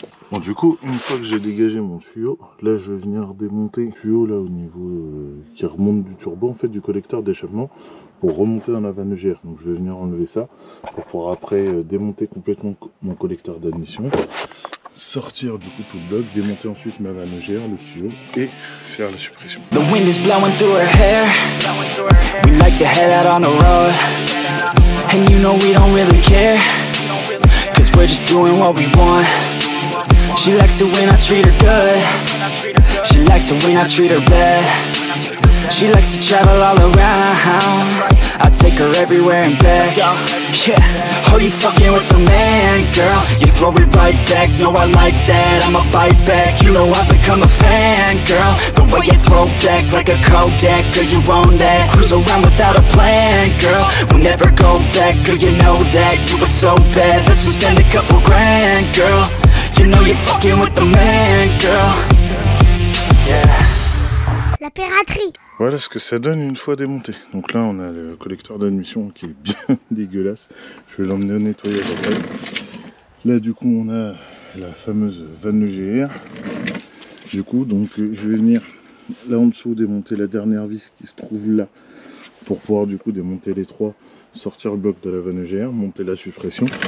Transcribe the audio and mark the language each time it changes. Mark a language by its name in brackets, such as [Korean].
[French] Bon, du coup, une fois que j'ai dégagé mon tuyau, là, je vais venir démonter le tuyau là au niveau qui remonte du turbo, en fait, du collecteur d'échappement, pour remonter dans la vanne EGR. Donc, je vais venir enlever ça pour pouvoir après démonter complètement mon collecteur d'admission. Sortir du coup tout le bloc, démonter ensuite ma vanne EGR, le tuyau, et faire la suppression. [English] The wind is blowing through her hair. We like to head out on the road. And you know we don't really care. Cause we're just doing what we want. She likes it when I treat her good. She likes it when I treat her bad. She likes to travel all around. I take her everywhere and back. Yeah, oh, you fucking with a man, girl. You throw it right back. No, I like that. I'ma bite back. You know I've become a fan, girl. The way you throw back like a Kodak. Girl, you own that. Cruise around without a plan, girl. We'll never go back. Girl, you know that. You were so bad. Let's just spend a couple grand, girl. You know you're fucking with the man, girl. [French] La piraterie. Voilà ce que ça donne une fois démonté. Donc là, on a le collecteur d'admission qui est bien dégueulasse. Je vais l'emmener au nettoyage après. Là, du coup, on a la fameuse vanne EGR. Du coup, donc, je vais venir là en dessous démonter la dernière vis qui se trouve là pour pouvoir du coup démonter les trois, sortir le bloc de la vanne EGR, monter la suppression.